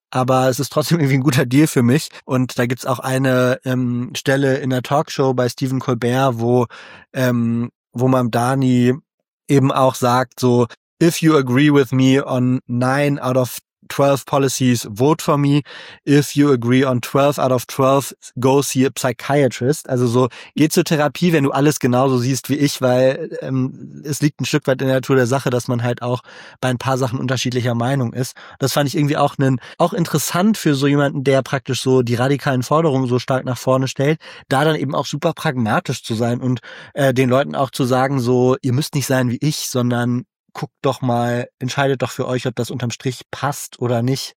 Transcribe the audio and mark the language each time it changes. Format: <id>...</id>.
<de>Aber es ist trotzdem irgendwie ein guter Deal für mich. Und da gibt's auch eine Stelle in der Talkshow bei Stephen Colbert, wo Mamdani eben auch sagt so,</de> <en>if you agree with me on 9 out of 12 policies, vote for me. If you agree on 12 out of 12, go see a psychiatrist.</en> <de>Also so, geh zur Therapie, wenn du alles genauso siehst wie ich, weil es liegt ein Stück weit in der Natur der Sache, dass man halt auch bei ein paar Sachen unterschiedlicher Meinung ist. Das fand ich irgendwie auch auch interessant für so jemanden, der praktisch so die radikalen Forderungen so stark nach vorne stellt, da dann eben auch super pragmatisch zu sein und den Leuten auch zu sagen, so, ihr müsst nicht sein wie ich, sondern guckt doch mal, entscheidet doch für euch, ob das unterm Strich passt oder nicht.</de>